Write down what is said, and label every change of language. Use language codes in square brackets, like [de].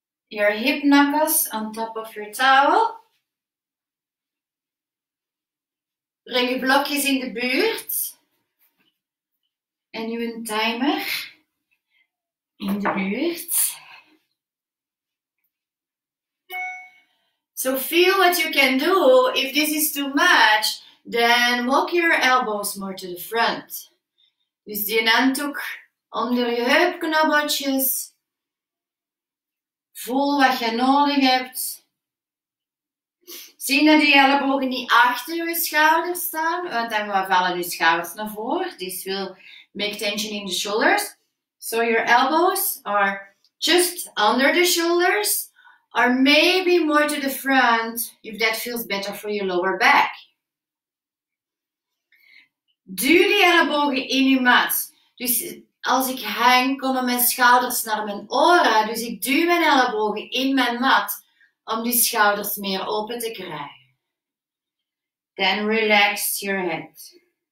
[en] Your hip knuckles on top of your towel. [nl] Breng je blokjes in de buurt en nu een timer in de buurt. [en] So feel what you can do. If this is too much, then walk your elbows more to the front. [nl] Dus die handdoek onder je heupknobbeltjes. Voel wat je nodig hebt. Zie dat die ellebogen niet achter je schouders staan, want dan vallen je schouders naar voren. [en] This will make tension in the shoulders. So your elbows are just under the shoulders, or maybe more to the front, if that feels better for your lower back. [nl] Duw die ellebogen in je mat. Dus als ik hang, komen mijn schouders naar mijn oren. Dus ik duw mijn ellebogen in mijn mat om die schouders meer open te krijgen. [en] Then relax your head.